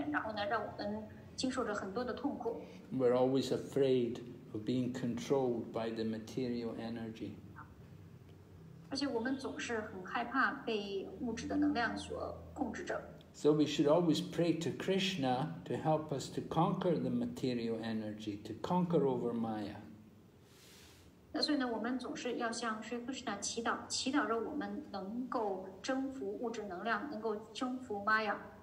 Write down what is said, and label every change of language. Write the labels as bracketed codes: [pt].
[zh] 这个物质自然的三属性呢，就把我们始终给滞留在这个物质世界里面，然后呢，让我们经受着很多的痛苦。 [en] We're always afraid of being controlled by the material energy. [zh] 而且我们总是很害怕被物质的能量所控制着。 [en] So we should always pray to Krishna to help us to conquer the material energy, to conquer over Maya. [zh] 所以呢，我们总是要向Krishna祈祷，祈祷着我们能够征服物质能量，能够征服Maya。